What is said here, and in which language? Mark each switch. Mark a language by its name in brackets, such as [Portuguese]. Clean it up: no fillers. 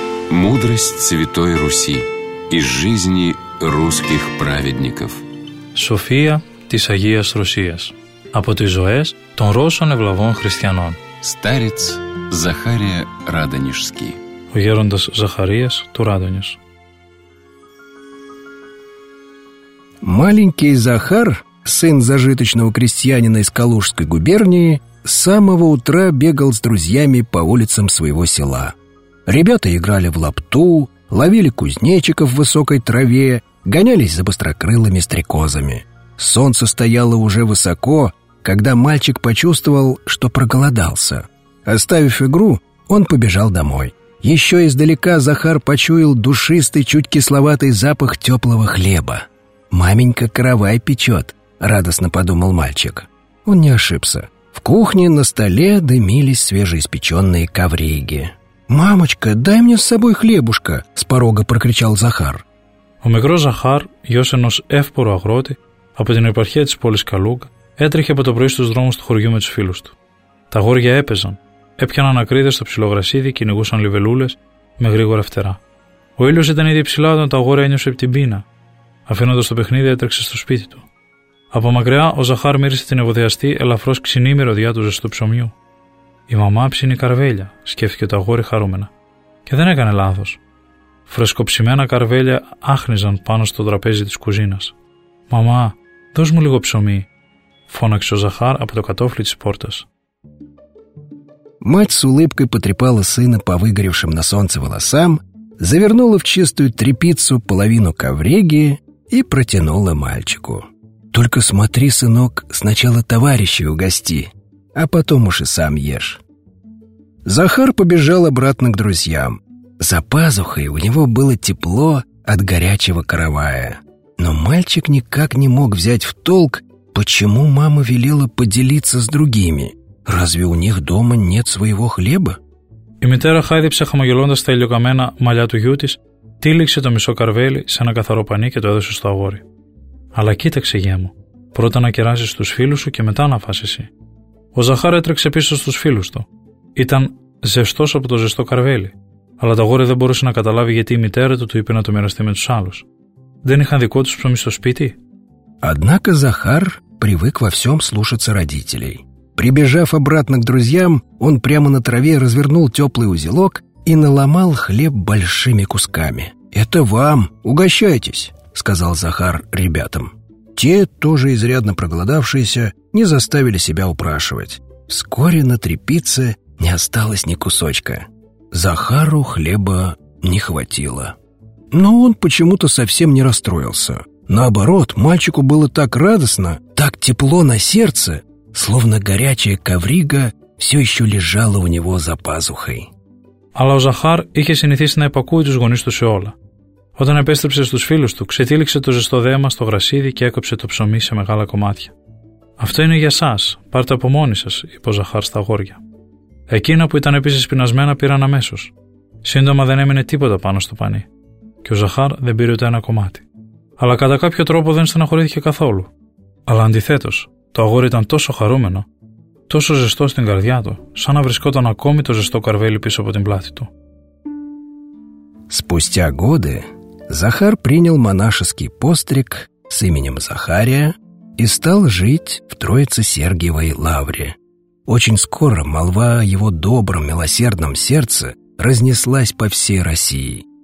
[Russian] Мудрость Святой Руси из жизни русских праведников. [Greek] София της Αγίας Ρωσίας, από τις ζωές των Ρώσων ευλαβών χριστιανών. Στάριτς Ζαχάρια Ράντονιουσκή. Ο γέροντας Ζαχαρίας του Ράντονιους. [Russian] Маленький Захар, сын зажиточного крестьянина из Калужской губернии, с самого утра бегал с друзьями по улицам своего села. Ребята играли в лапту, ловили кузнечиков в высокой траве, гонялись за быстрокрылыми стрекозами. Солнце стояло уже высоко, когда мальчик почувствовал, что проголодался. Оставив игру, он побежал домой. Еще издалека Захар почуял душистый, чуть кисловатый запах теплого хлеба. «Маменька каравай печет», — радостно подумал мальчик. Он не ошибся. В кухне на столе дымились свежеиспеченные ковриги. «Мамочка, дай мне с собой хлебушка», — с порога прокричал Захар. [Greek] У микро Захар, ёсенос эвпору агроти, από την επαρχία της πόλης Καλούγκα, έτρεχε από το πρωί στους δρόμους του χωριού με τους φίλους του. Τα αγόρια έπαιζαν, έπιαναν ακρίδες στο ψηλό γρασίδι, κυνηγούσαν λιβελούλες με γρήγορα φτερά. Ο ήλιος ήταν ήδη ψηλά όταν τα αγόρια ένιωσε την πείνα. Αφήνοντας το παιχνίδι, έτρεξε στο σπίτι του. Από μακριά, ο Ζαχάρ μύρισε την ευωδιαστή, ελαφρώς ξινή μυρωδιά του ζεστού ψωμιού. Η μαμά ψήνει καρβέλια, σκέφτηκε το αγόρι χαρούμενα. Και δεν έκανε λάθος. Φρεσκοψημένα καρβέλια άχνηζαν πάνω στο τραπέζι της κουζίνας. «Μαμά, δώσ' μου λίγο ψωμί», φώναξε ο Ζαχάρ από το κατόφλι της πόρτας. [Russian] Мать с улыбкой потрепала сына по выгоревшим на солнце волосам, завернула в чистую тряпицу половину ковриги и протянула мальчику. «Только смотри, сынок, сначала товарищей угости, а потом уж и сам ешь». Захар побежал обратно к друзьям. За пазухой у него было тепло от горячего каравая. Но мальчик никак не мог взять в толк, почему мама велела поделиться с другими. Разве у них дома нет своего хлеба? [Greek] Η μητέρα χάιδεψε χαμογελώντας τα ηλιοκαμένα μαλλιά του γιού της, τύλιξε το μισό καρβέλι σε ένα καθαρό πανί και το έδωσε στο αγόρι. «Αλλά κοίταξε, γιέ μου, πρώτα να κεράσεις τους φίλους σου και μετά να φας εσύ». Ο Ζαχάρ έτρεξε πίσω στους φίλους του. Ήταν ζεστός από το ζεστό καρβέλι, αλλά το αγόρι δεν μπορούσε να καταλάβει γιατί η μητέρα του είπε να το μοιραστεί με τους άλλους. Δεν είχαν δικό τους ψωμί στο σπίτι. [Russian] Однако Захар привык во всём слушаться родителей. Прибежав обратно к друзьям, он прямо на траве развернул тёплый узелок и наломал хлеб большими кусками. «Это вам, угощайтесь», — сказал Захар ребятам. Те, тоже изрядно проголодавшиеся, не заставили себя упрашивать. Вскоре на тряпице не осталось ни кусочка. Захару хлеба не хватило. Но он почему-то совсем не расстроился. Наоборот, мальчику было так радостно, так тепло на сердце, словно горячая коврига все еще лежала у него за пазухой. [Greek] Αλλά ο Ζαχάρ είχε συνηθίσει να υπακούει τους γονείς του σε όλα. Όταν επέστρεψε στους φίλους του, ξετύλιξε το ζεστό δέμα στο γρασίδι και έκοψε το ψωμί σε μεγάλα κομμάτια. «Αυτό είναι για σας, πάρτε από μόνοι σας», είπε ο Ζαχάρ στα αγόρια. Εκείνα που ήταν επίσης πεινασμένα πήραν αμέσως. Σύντομα δεν έμεινε τίποτα πάνω στο πανί. Και ο Ζαχάρ δεν πήρε ούτε ένα κομμάτι. Αλλά κατά κάποιο τρόπο δεν στεναχωρήθηκε καθόλου. Αλλά αντιθέτως, το αγόρι ήταν τόσο χαρούμενο, τόσο ζεστό στην καρδιά του, σαν να βρισκόταν ακόμη το ζεστό καρβέλι πίσω από την πλάτη του. [Russian] Спустя годы Захар принял монашеский постриг с именем Захария и стал жить в Троице-Сергиевой лавре. Очень скоро молва о его добром, милосердном сердце разнеслась по всей России.